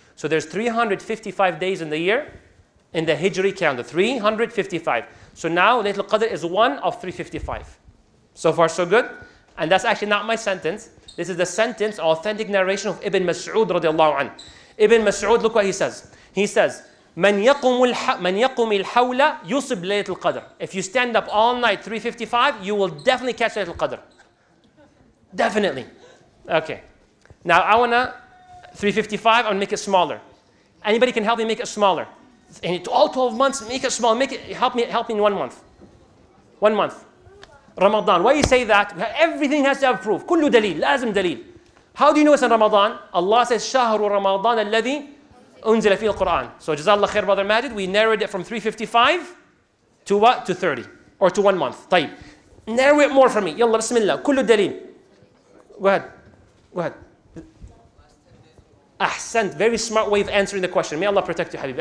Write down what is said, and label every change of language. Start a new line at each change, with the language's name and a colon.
English: So there's 355 days in the year in the Hijri calendar. 355. So now Laylatul Qadr is one of 355. So far, so good. And that's actually not my sentence. This is the sentence, authentic narration of Ibn Mas'ud radiallahu anhu. Ibn Mas'ud, look what he says. He says,
Arabic: من يقوم الحولة يصب ليلة القدر.
English: If you stand up all night 355, you will definitely catch ليلة القدر. Definitely. Okay. Now I wanna 355. I'll make it smaller. Anybody can help me make it smaller. In all 12 months, make it smaller. Make it. Help me in 1 month. 1 month. Ramadan. Why you say that? Everything has to have proof.
Arabic: كل دليل. لازم دليل.
English: How do you know it's in Ramadan? Allah says,
Arabic: شَهْرُ رَمَضَانَ الَّذِي أُنزِلَ فِي الْقُرْآنِ.
English: So Jazallah Khair, Brother Majid, we narrowed it from 355 to what? To 30, or to 1 month. طيب. Narrow it more for me.
Arabic: يلا بسم الله. كل الدليل.
English: Go ahead.
Arabic: أحسنت.
English: Very smart way of answering the question. May Allah protect you, Habibi.